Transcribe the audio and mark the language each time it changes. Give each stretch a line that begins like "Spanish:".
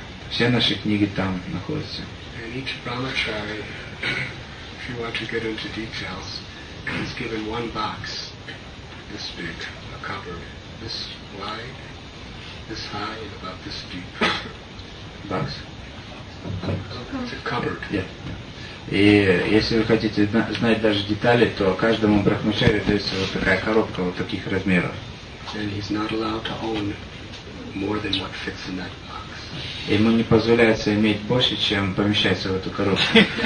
Russian: Все наши книги там находятся.
English: And each brahmachari, if you want to get into details, is given one box, this big, a cover, this wide, this high, and about this deep. Box? It's a cupboard. Yeah.
Russian: И если вы хотите знать даже детали, то каждому брахмачари дается вот такая коробка вот таких размеров.
English: And he's not allowed to own more than what fits in that box.
Russian: Ему не позволяется иметь больше, чем помещается в эту коробку.